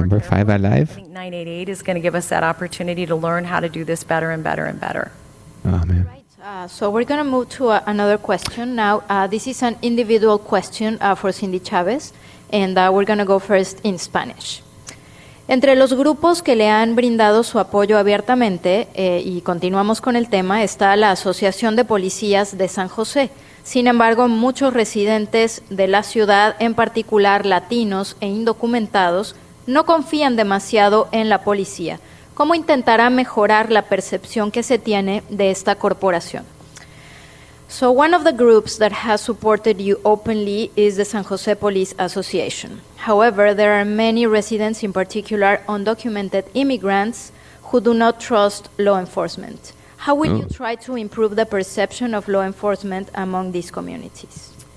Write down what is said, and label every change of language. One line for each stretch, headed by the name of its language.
English: Number carefully. 5 alive? I think 988 is going to give us that opportunity to learn how to do this better and better and better. Oh, man. Right. So we're going to move to another question now. This is an individual question for Cindy Chavez, and we're going to go first in Spanish.
Spanish: Entre los grupos que le han brindado su apoyo abiertamente, y continuamos con el tema, está la Asociación de Policías de San José. Sin embargo, muchos residentes de la ciudad, en particular latinos e indocumentados, no confían demasiado en la policía. ¿Cómo intentará mejorar la percepción que se tiene de esta corporación?
English: So one of the groups that has supported you openly is the San Jose Police Association. However, there are many residents, in particular undocumented immigrants, who do not trust law enforcement. How will you try to improve the perception of law enforcement among these communities?